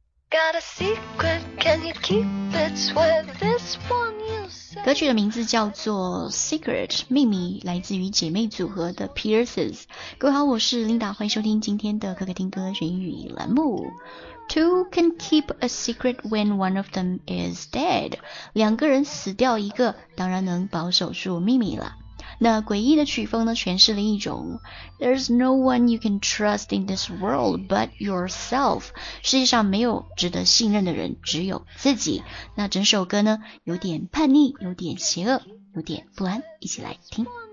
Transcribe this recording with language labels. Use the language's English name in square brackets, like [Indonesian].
[English] Got a secret, can you keep it with this one you say? [Chinese] 歌曲的名字叫做 Secret， 秘密来自于姐妹组合的 Pierces。各位好，我是 Linda， 欢迎收听今天的可可听歌选语栏目。 [English] Two can keep a secret when one of them is dead， [Chinese] 两个人死掉一个当然能保守住秘密了。那诡异的曲风呢，诠释了一种 [English] There's no one you can trust in this world but yourself， [Chinese] 世界上没有值得信任的人，只有自己。那整首歌呢，有点叛逆，有点邪恶，有点不安，一起来听。